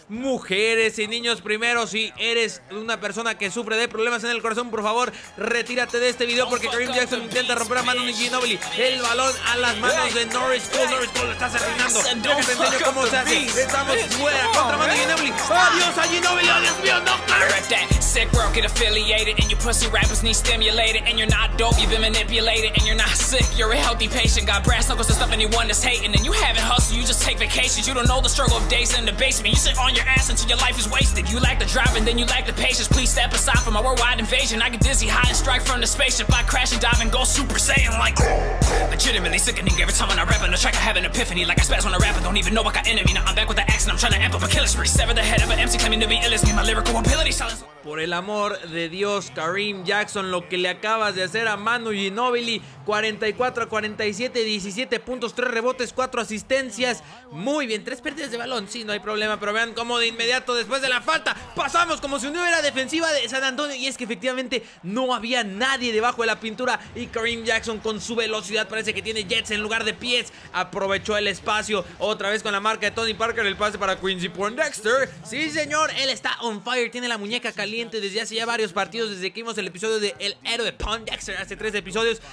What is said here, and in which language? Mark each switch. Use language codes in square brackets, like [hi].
[es] Mujeres y niños primero. Si eres una persona que sufre de problemas en el corazón, por favor, retírate de este video porque Kareem Jackson intenta romper a Manu Ginobili. El balón a las manos de Norris Cole. Norris Cole lo está asesinando. Déjame enseñar cómo se hace. Estamos fuera contra Manu Ginobili. ¡Adiós a Ginobili! ¡Adiós mío! ¡No, Kareem! [en] Sick bro, get affiliated, and your pussy rappers need stimulated, and you're not dope, you've been manipulated, and you're not sick, you're a healthy patient, got brass knuckles to stop anyone that's hating, and you haven't hustled, you just take vacations, you don't know the struggle of days in the basement, you sit on your ass until your life is wasted, you lack the drive, and then you lack the patience, please step aside from my worldwide invasion, I get dizzy, high, and strike from the spaceship, I crash and dive and go super saiyan, like, legitimately sickening, every time when I rap on the track, I have an epiphany, like I spaz when I rap, I don't even know I got enemy, now I'm back with the axe, and I'm trying to amp up a killer spree, sever the head of an MC claiming to be ill, it's me, my lyrical ability, silence. [es] Por el amor de Dios, Kareem Jackson, lo que le acabas de hacer a Manu Ginobili, 44 a 47, 17 puntos, 3 rebotes, 4 asistencias, muy bien, 3 pérdidas de balón, sí, no hay problema, pero vean cómo de inmediato después de la falta, pasamos como si uno era defensiva de San Antonio, y es que efectivamente no había nadie debajo de la pintura, y Kareem Jackson con su velocidad parece que tiene jets en lugar de pies, aprovechó el espacio, otra vez con la marca de Tony Parker, el pase para Quincy Poindexter, sí señor, él está [en] on fire, [es] tiene la muñeca caliente desde hace ya varios partidos, desde que vimos el episodio de El Héroe Poindexter hace 3 episodios,